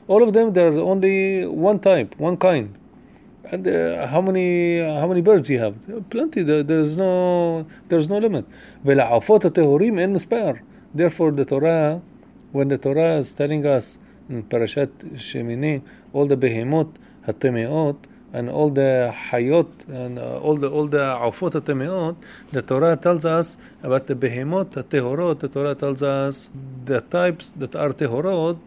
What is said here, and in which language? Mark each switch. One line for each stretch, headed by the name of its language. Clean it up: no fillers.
English: All of them, there are only one type, one kind. And how many birds you have? Plenty. There's no limit.
Hebrew: ולעופות הטהורים אין מספר.
English: Therefore, the Torah, when the Torah is telling us in פרשת שמיני, all the behemot הטמאות and all the חיות and all the
Hebrew: עופות הטמאות,
English: the Torah tells us about the behemot הטהורות. The Torah tells us the types that are טהורות.